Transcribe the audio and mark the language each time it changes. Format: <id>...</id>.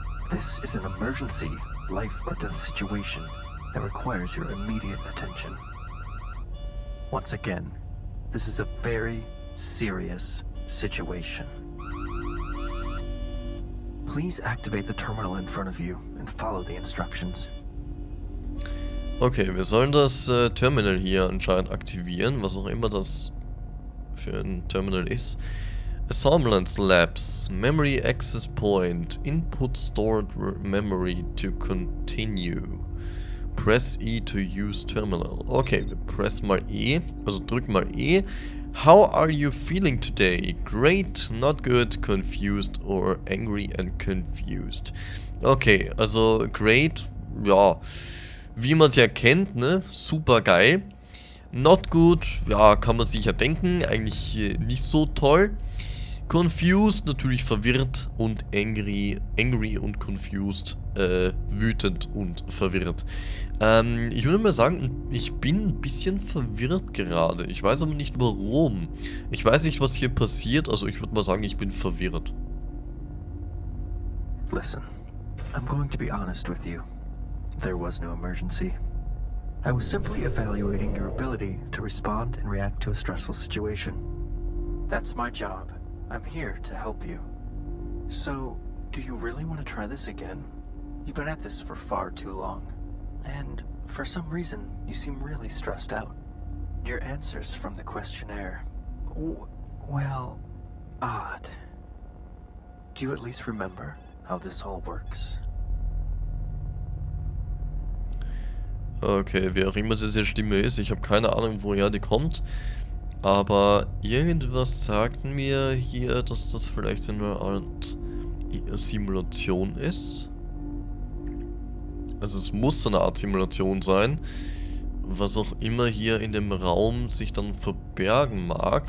<en>This is an emergency, life or death situation that requires your immediate attention. Once again, this is a very serious situation. Please activate the terminal in front of you and follow the instructions.</en> <de>Okay, wir sollen das Terminal hier anscheinend aktivieren, was auch immer das für ein Terminal ist.</de> <en>Assemblance Labs, Memory Access Point, Input Stored Memory to continue. Press E to use Terminal.</en> <de>Okay, wir pressen mal E, also drücken mal E.</de> <en>How are you feeling today? Great, not good, confused or angry and confused.</en> <de>Okay, also great, ja, wie man es ja kennt, ne, super geil.</de> <en>Not good,</en> <de>ja, kann man sich ja denken, eigentlich nicht so toll. Confused, natürlich verwirrt und angry und confused, wütend und verwirrt. Ich würde mal sagen, ich bin ein bisschen verwirrt gerade. Ich weiß aber nicht warum. Ich weiß nicht, was hier passiert, also ich würde mal sagen, ich bin verwirrt.</de> <en>Listen, I'm going to be honest with you. There was no emergency. I was simply evaluating your ability to respond and react to a stressful situation. That's my job. I'm here to help you. So, do you really want to try this again? You've been at this for far too long. And for some reason, you seem really stressed out. Your answers from the questionnaire... well, odd. Do you at least remember how this all works?</en> <de>Okay, wie auch immer diese Stimme ist, ich habe keine Ahnung, woher die kommt. Aber irgendwas sagt mir hier, dass das vielleicht eine Art Simulation ist. Also es muss eine Art Simulation sein. Was auch immer hier in dem Raum sich dann verbergen mag.</de>